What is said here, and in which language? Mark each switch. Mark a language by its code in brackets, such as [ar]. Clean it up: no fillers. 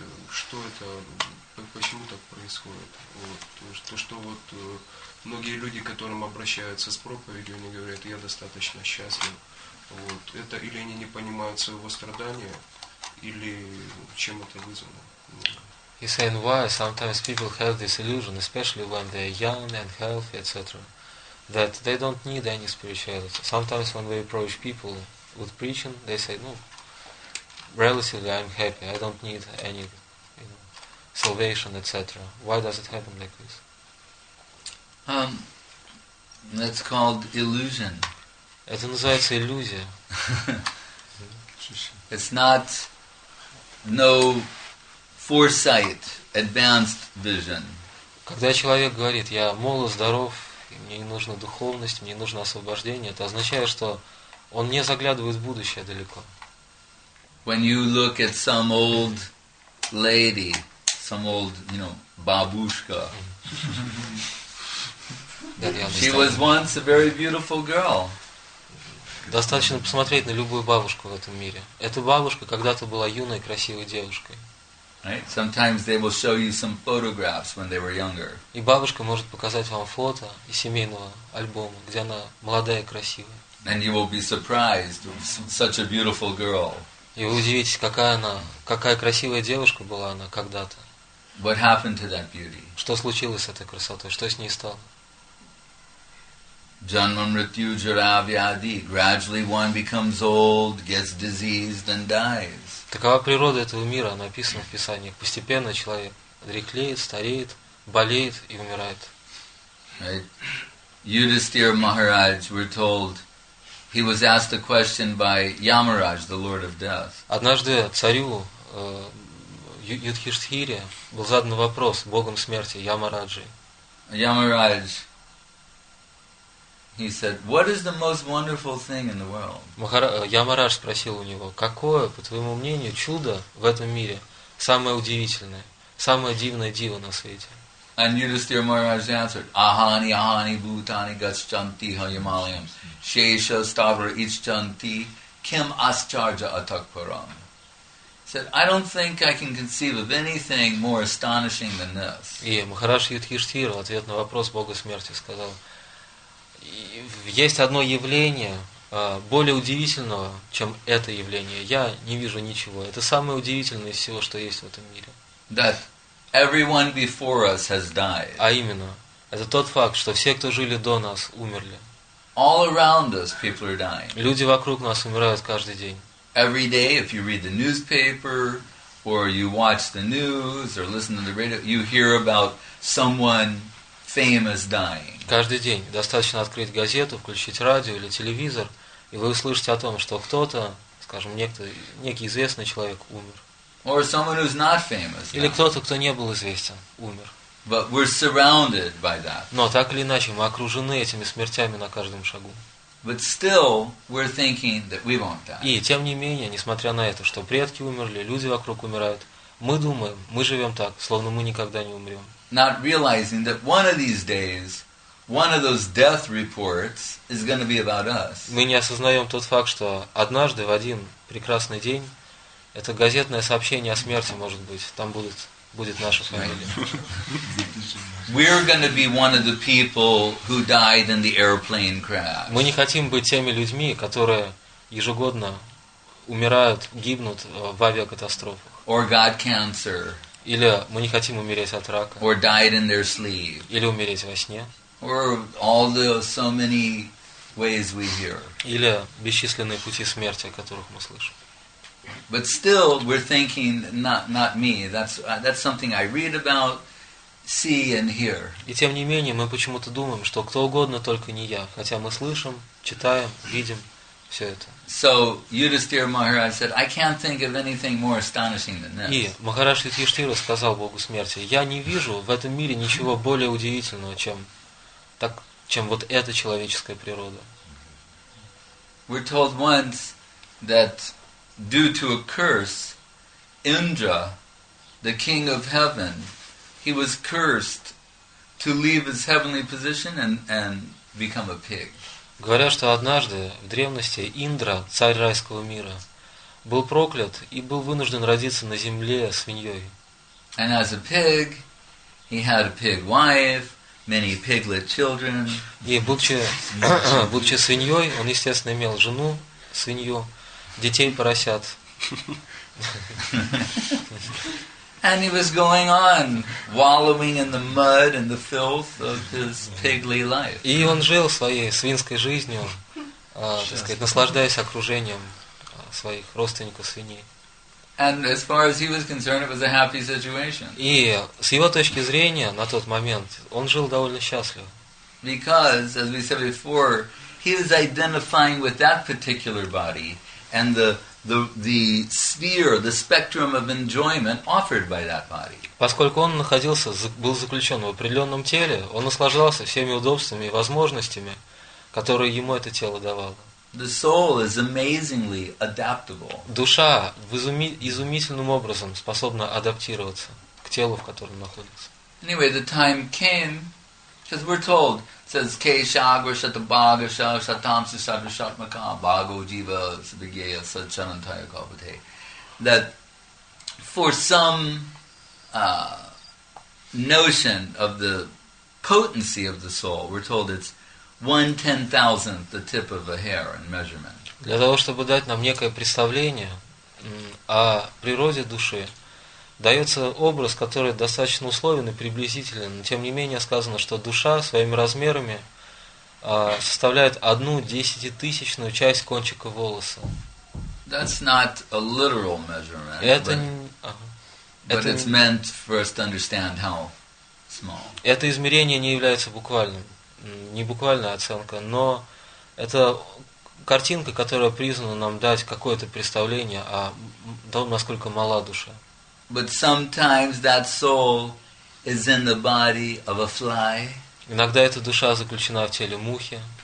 [ru] Что это? Почему так происходит? Вот. Многие люди, к которым обращаются с проповедью, они говорят, я достаточно счастлив. Вот. Это или они не понимают своего страдания, или чем это вызвано? [en] He's saying why sometimes people have this illusion, especially when they're young and healthy, etc., that they don't need any spirituality. Sometimes when we approach people with preaching, they say, no, relatively I'm happy, I don't need any, you know, salvation, etc. Why does it happen like this? That's called illusion. [ru] Это называется иллюзия. [en] It's not no foresight, advanced vision. [ru] Когда человек говорит, я молод, здоров, мне не нужна духовность, мне нужно освобождение, это означает, что он не заглядывает в будущее далеко. [en] When you look at some old lady, some old, you know, бабушка, she was once a very beautiful girl. [ru] Достаточно посмотреть на любую бабушку в этом мире. Эта бабушка когда-то была юной, красивой девушкой. [en] Right? Sometimes they will show you some photographs when they were younger. [ru] И бабушка может показать вам фото из семейного альбома, где она молодая и красивая. [en] And you will be surprised, such a beautiful girl. [ru] И вы удивитесь, какая она, какая красивая девушка была она когда-то. [en] What happened to that beauty? [ru] Что случилось с этой красотой? Что с ней стало? [sa] Janma mrityu jara vyadhi. [en] Gradually one becomes old, gets diseased and dies. [ru] Такова природа этого мира, написана в Писании. Постепенно человек дряхлеет, стареет, болеет и умирает. [en] Right. Yudhisthira Maharaj, we're told, he was asked a question by Yamaraj, the Lord of Death. [ru] Однажды царю Юдхиштхире был задан вопрос Богом смерти Ямараджи. [en] Yamaraj, he said, "What is the most wonderful thing in the world?" [ru] Ямарадж спросил у него, какое, по твоему мнению, чудо в этом мире самое удивительное, самое дивное диво на свете? [en] And Yudhisthira Maharaj answered, [sa] "Ahani, ahani, bhutani, gacchanti, hayamalayam, shesha, stavra, ichchanti, kim ascharja atakparam." [en] Said, "I don't think I can conceive of anything more astonishing than this." [ru] И Махарадж Юдхиштхира в ответ на вопрос Бога смерти сказал. Есть одно явление более удивительного, чем это явление. Я не вижу ничего. Это самое удивительное из всего, что есть в этом мире. [en] That Everyone before us has died. [ru] А именно, это тот факт, что все, кто жили до нас, умерли. [en] All around us people are dying. [ru] Люди вокруг нас умирают каждый день. [en] Every day, if you read the newspaper, or you watch the news, or listen to the radio, you hear about someone famous dying. [ru] Каждый день достаточно открыть газету, включить радио или телевизор, и вы услышите о том, что кто-то, скажем, некий известный человек умер. [en] Or someone who's not famous. [ru] Или кто-то, кто не был известен, умер. [en] But we're surrounded by that. [ru] Но так или иначе мы окружены этими смертями на каждом шагу. [en] But still, we're thinking that we won't die. [ru] И тем не менее, несмотря на это, что предки умерли, люди вокруг умирают, мы думаем, мы живем так, словно мы никогда не умрем. [en] Not realizing that one of these days, one of those death reports is going to be about us. [ru] Мы не осознаем тот факт, что однажды в один прекрасный день это газетное сообщение о смерти может быть, там будет наша фамилия. [en] We're going to be one of the people who died in the airplane crash. [ru] Мы не хотим быть теми людьми, которые ежегодно умирают, гибнут в авиакатастрофах. [en] Or got cancer. [ru] Или мы не хотим умереть от рака. [en] Or died in their sleep. [ru] Или умереть во сне. [en] Or all the so many ways we hear. [ru] Или бесчисленные пути смерти, о которых мы слышим. [en] But still, we're thinking not me. That's something I read about, see and hear. [ru] И тем не менее мы почему-то думаем, что кто угодно, только не я. Хотя мы слышим, читаем, видим все это. [en] So Yudhisthira Maharaj said, I can't think of anything more astonishing than this. [ru] И Махараш Юдхиштхира сказал Богу Смерти: я не вижу в этом мире ничего более удивительного, чем вот эта человеческая природа. [en] We're told once that due to a curse, Indra, the king of heaven, he was cursed to leave his heavenly position and become a pig. [ru] Говорят, что однажды в древности Индра, царь райского мира, был проклят и был вынужден родиться на земле свиньей. [en] And as a pig, he had a pig wife, many piglet children. [ru] И будучи свиньей, он естественно имел жену свинью. Детей поросят. [en] And he was going on wallowing in the mud and the filth of his piggly life. [ru] И он жил своей свинской жизнью, так сказать, наслаждаясь окружением своих родственников свиней. [en] And as far as he was concerned, it was a happy situation. [ru] И с его точки зрения на тот момент он жил довольно счастливо. [en] Because, as we said before, he was identifying with that particular body. And the sphere, the spectrum of enjoyment offered by that body. [ru] Поскольку он находился, был заключен в определенном теле, он наслаждался всеми удобствами и возможностями, которые ему это тело давало. [en] The soul is amazingly adaptable. [ru] Душа изумительным образом способна адаптироваться к телу, в котором находится. [en] Anyway, the time came, because we're told. Says [sa] Keshagrashatabhagasha Shatamsishadrashatmaka Bhago Jiva Sabhigeya Sachanantaya Kabate. [en] That for some notion of the potency of the soul, we're told it's 1/10,000th the tip of a hair in measurement. [ru] Для того, чтобы дать нам некое представление о природе души, дается образ, который достаточно условен и приблизителен, но тем не менее сказано, что душа своими размерами составляет 1/10,000 часть кончика волоса. [en] That's not a literal measurement, but it's meant for us to understand how small. [ru] Это измерение не является буквальным, не буквальная оценка, но это картинка, которая призвана нам дать какое-то представление о том, насколько мала душа. [en] But sometimes that soul is in the body of a fly. [ru] Иногда эта душа заключена в теле мухи.